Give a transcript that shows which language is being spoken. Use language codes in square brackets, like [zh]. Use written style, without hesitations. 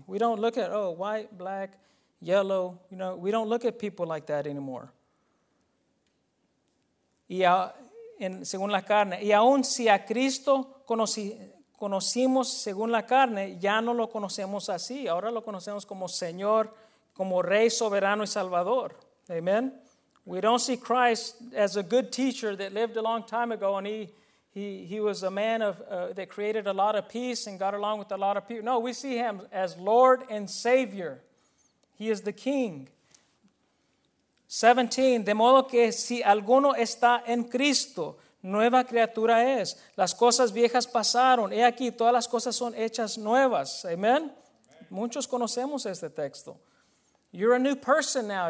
[en] We don't look at, oh, white, black, yellow. You know, we don't look at people like that anymore. [es] Según la carne. Y aun si a Cristo conocimos según la carne, ya no lo conocemos así. Ahora lo conocemos como Señor, como Rey soberano y Salvador. Amen. [en] We don't see Christ as a good teacher that lived a long time ago and he was a man of that created a lot of peace and got along with a lot of people. No, we see him as Lord and Savior. He is the King. [es] 17, de modo que si alguno está en Cristo, nueva criatura es. Las cosas viejas pasaron. He aquí, todas las cosas son hechas nuevas. Amen. Muchos conocemos este texto. [en] You're a new person now.